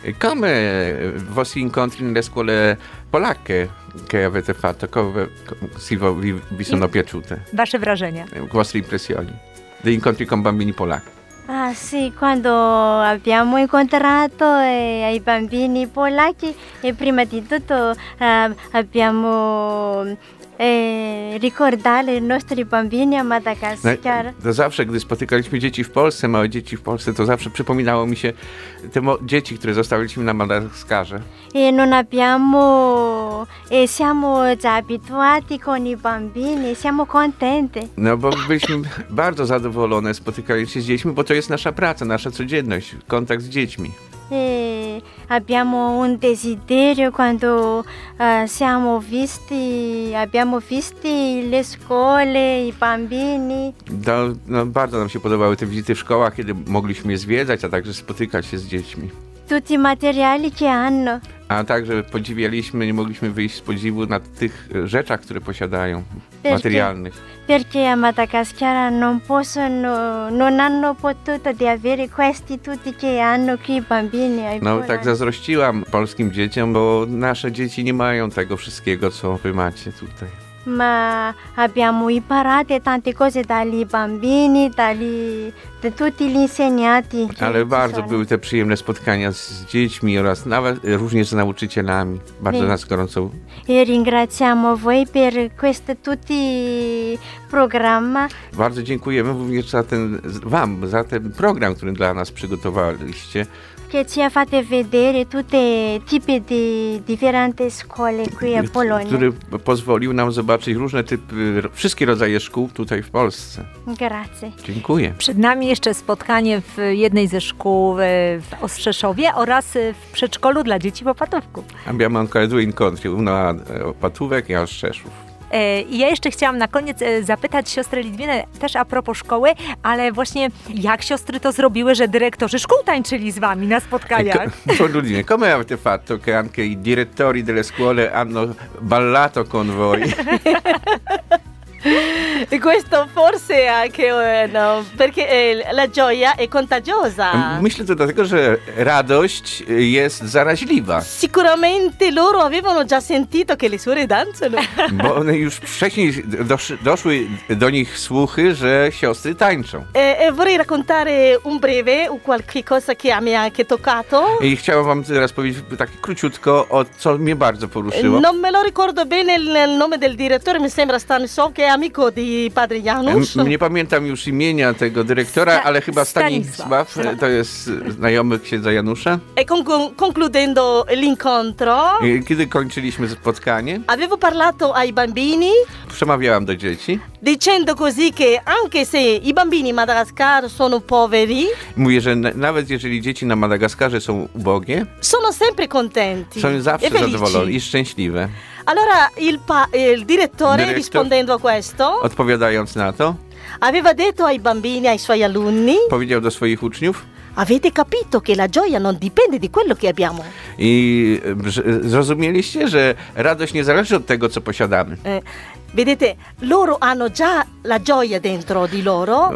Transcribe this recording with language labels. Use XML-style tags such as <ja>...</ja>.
<it>Come vostri incontri nelle scuole polacche? Che avete fatto, come vi sono piaciute?</it> <pl>Vasce wrażenia.</pl> <it>Vostre impressioni. Di incontri con bambini polacchi. Ah sì, quando abbiamo incontrato i bambini polacchi, prima di tutto abbiamo ricordato i nostri bambini a Madagascar.</it> <pl>No, zawsze, gdy spotykaliśmy dzieci w Polsce, małe dzieci w Polsce, to zawsze przypominało mi się te dzieci, które zostawiliśmy na Madagaskarze.</pl> <it>Non abbiamo... siamo già abituati con i bambini, siamo contenti.</it> <pl>No bo byliśmy bardzo zadowolone spotykając się z dziećmi, bo to jest nasza praca, nasza codzienność, kontakt z dziećmi.</pl> <it>Abbiamo un desiderio quando siamo visti, abbiamo visti le scuole, i bambini.</it> <pl>No, bardzo nam się podobały te wizyty w szkołach, kiedy mogliśmy je zwiedzać, a także spotykać się z dziećmi.</pl> <it>Tutti i materiali che hanno.</it> <pl>A także podziwialiśmy, nie mogliśmy wyjść z podziwu na tych rzeczach, które posiadają,</pl> <it>perché,</it> <pl>materialnych.</pl> <it>Perché a Madagascar non possono, non hanno potuto di avere questi tutti che hanno qui bambini.</it> <pl>No tak zazdrościłam polskim dzieciom, bo nasze dzieci nie mają tego wszystkiego, co wy macie tutaj.</pl> <it>ma abbiamo imparato tante cose dagli bambini, dagli da tutti gli insegnanti.</it> <pl>Ale bardzo były te przyjemne spotkania z dziećmi oraz nawet również z nauczycielami. Bardzo nas gorąco.</pl> <it>I ringraziamo voi per questo tutti programma.</it> <pl>Bardzo dziękujemy również za ten wam za ten program, który dla nas przygotowaliście.</pl> <it>Che ci ha fatto vedere tutti i tipi di differenti scuole qui a Polonia.</it> <pl>Który pozwolił nam zobaczyć różne typy, wszystkie rodzaje szkół tutaj w Polsce.</pl> <it>Grazie.</it> <pl>Dziękuję. Przed nami jeszcze spotkanie w jednej ze szkół w Ostrzeszowie oraz w przedszkolu dla dzieci w Opatówku.</pl> <it>Abbiamo ancora due incontri, uno a Opatówek i a Ostrzeszów.</it> <pl>I ja jeszcze chciałam na koniec zapytać siostrę Litwinę też a propos szkoły, ale właśnie jak siostry to zrobiły, że dyrektorzy szkół tańczyli z wami na spotkaniach?</pl> <it>Ludwine, come avete fatto che anche i direttori delle scuole hanno ballato con voi? E questo forse anche no, perché la gioia è contagiosa.</it> <pl>Myślę to dlatego, że radość jest zaraźliwa.</pl> <it>Sicuramente loro avevano già sentito che le suore danzano.</it> <pl>Bo one już wcześniej doszły do nich słuchy, że siostry tańczą.</pl> <it>E vorrei raccontare un breve o qualche cosa che mi ha anche toccato.</it> <pl>I chciałam wam teraz powiedzieć tak króciutko o co mnie bardzo poruszyło.</pl> <it>Non me lo ricordo bene il nome del direttore, mi sembra Stanisław. Amico di padre Janusz.</it> <pl>Nie pamiętam już imienia tego dyrektora, ale chyba Stanisław, to jest znajomy księdza Janusza.</pl> <it>E concludendo l'incontro.</it> <pl>Kiedy kończyliśmy spotkanie?</pl> <it>Avevo parlato ai bambini.</it> <pl>Przemawiałam do dzieci.</pl> <it>Dicendo così che anche se i bambini in Madagascar sono poveri.</it> <pl>Mówię, że nawet jeżeli dzieci na Madagaskarze są ubogie.</pl> <it>Sono sempre contenti.</it> <pl>Są zawsze zadowolone i szczęśliwe.</pl> <it>Allora il direttore rispondendo a questo,</it> <pl>odpowiadając na to,</pl> <it>aveva detto ai bambini, ai suoi alunni,</it> <pl>powiedział do swoich uczniów,</pl> <it>avete capito che la gioia non dipende di quello che abbiamo.</it> <pl>I zrozumieliście, że radość nie zależy od tego, co posiadamy.</pl> <it>Vedete, loro hanno già la gioia dentro di loro.</it>